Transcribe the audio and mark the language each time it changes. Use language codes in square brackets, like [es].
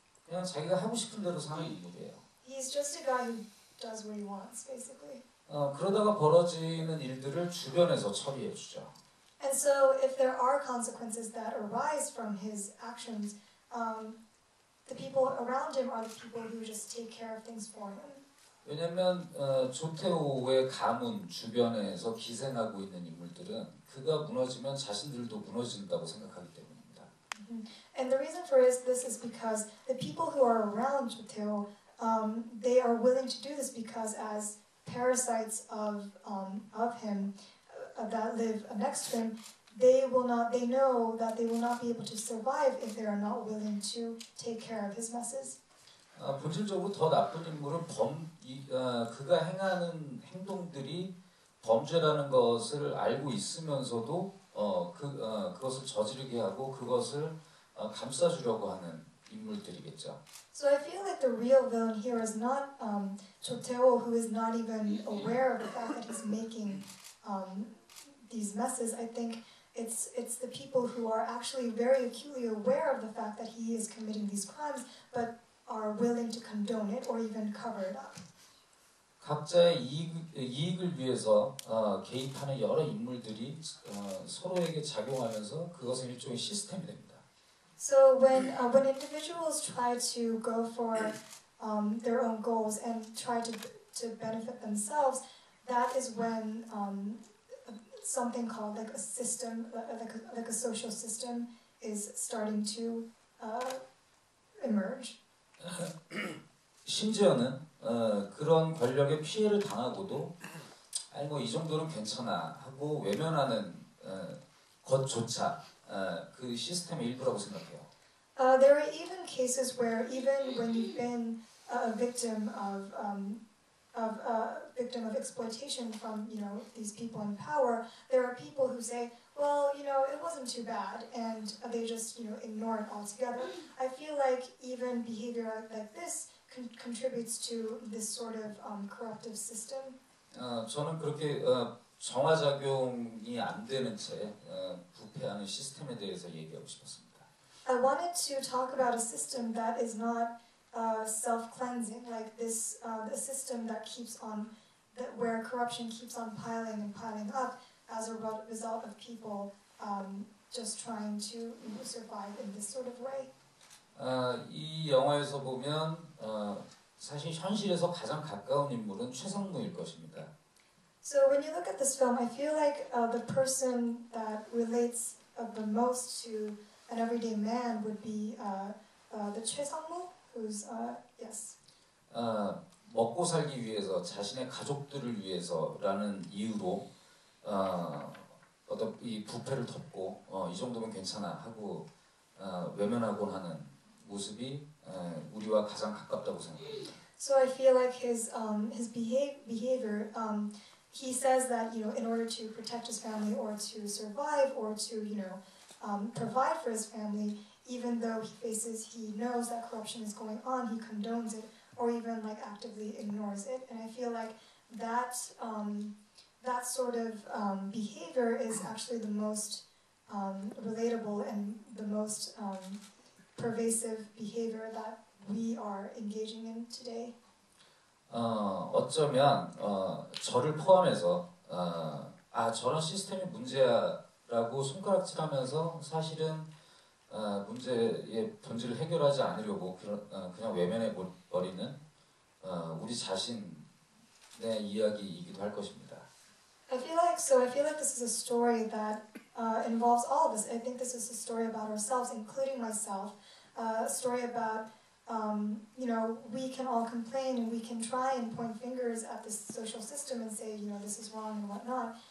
[ko] 그냥 자기가 하고 싶은 대로 사는 인물이에요. [en] He's just a guy who does what he wants, basically. [ko] 그러다가 벌어지는 일들을 주변에서 처리해 주죠. [en] And so, if there are consequences that arise from his actions, the people around him are the people who just take care of things for him. [ko] 왜냐면 조태호의 가문 주변에서 기생하고 있는 인물들은 그가 무너지면 자신들도 무너진다고 생각하기 때문에. [en] And the reason for this is because the people who are around Jo-tae-ho, they are willing to do this because as parasites of him that live next to him, they know that they will not be able to survive if they are not willing to take care of his messes. [ko] 본질적으로 더 나쁜 인물은 그가 행하는 행동들이 범죄라는 것을 알고 있으면서도 그것을 저지르게 하고 그것을 감싸주려고 하는 인물들이겠죠. [en] So I feel like the real villain here is not Jo-tae-ho, who is not even aware of the fact that he's making these messes. I think it's the people who are actually very acutely aware of the fact that he is committing these crimes, but are willing to condone it or even cover it up. [ko] 각자의 이익을 위해서 개입하는 여러 인물들이 서로에게 작용하면서 그것은 일종의 시스템이 됩니다. [en] So when individuals try to go for their own goals and try to benefit themselves, that is when something called like a system, like a social system, is starting to emerge. [ko] 심지어는 그런 권력의 피해를 당하고도 아니 뭐 이 정도는 괜찮아 하고 외면하는 것조차 그 시스템의 일부라고 생각해요. [en] There are even cases where even when you've been a victim of exploitation from, you know, these people in power, there are people who say, well, you know, it wasn't too bad, and they just, you know, ignore it altogether. I feel like even behavior like this contributes to this sort of corruptive system. [ko] 저는 그렇게 정화작용이 안 되는 채 부패하는 시스템에 대해서 얘기하고 싶었습니다. [en] I wanted to talk about a system that is not self-cleansing, like this, a system that keeps on, that where corruption keeps on piling and piling up as a result of people just trying to survive in this sort of way. [ko] 이 영화에서 보면 사실 현실에서 가장 가까운 인물은 최성무일 것입니다. [en] So when you look at this film, I feel like the person that relates the most to an everyday man would be the Choi Sang-woo, who's yes. [ko] 먹고 살기 위해서 자신의 가족들을 위해서라는 이유로 어떤 이 부패를 덮고 이 정도면 괜찮아 하고 외면하곤 하는 모습이 우리와 가장 가깝다고 생각합니다. [en] So I feel like his behavior. He says that, you know, in order to protect his family or to survive or to, you know, provide for his family, even though he knows that corruption is going on, he condones it or even like actively ignores it. And I feel like that that sort of behavior is actually the most relatable and the most pervasive behavior that we are engaging in today? [ko] 어쩌면 저를 포함해서 아 저런 시스템이 문제야라고 손가락질하면서 사실은 문제의 본질을 해결하지 않으려고 그냥 외면해 버리는 우리 자신의 이야기이기도 할 것입니다. [en] I feel like this is a story that involves all of us. I think this is a story about ourselves, including myself. A story about you know, we can all complain and we can try and point fingers at the social system and say, you know, this is wrong and whatnot.